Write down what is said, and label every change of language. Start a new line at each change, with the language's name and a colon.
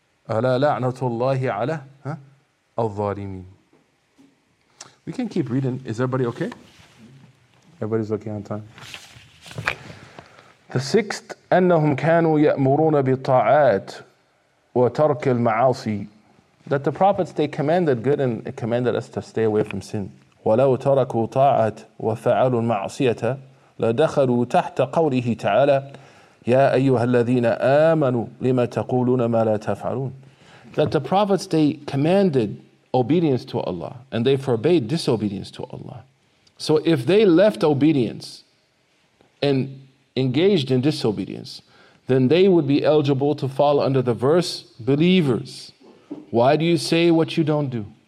Arabic: ألا لعنة الله على الظالمين.
English: We can keep reading. Is everybody okay? Everybody's okay on time. The sixth,
Arabic: أنهم كانوا يأمرون بالطاعات وترك المعاصي.
English: That the prophets, they commanded good and commanded us to stay away from sin.
Arabic: ولو تركوا طاعة وفعلوا المعصية لدخلوا تحت قوله تعالى يا أيها الذين آمنوا لما تقولون ما لا تفعلون.
English: That the prophets, they commanded obedience to Allah and they forbade disobedience to Allah. So if they left obedience and engaged in disobedience, then they would be eligible to fall under the verse, believers, why do you say what you don't do?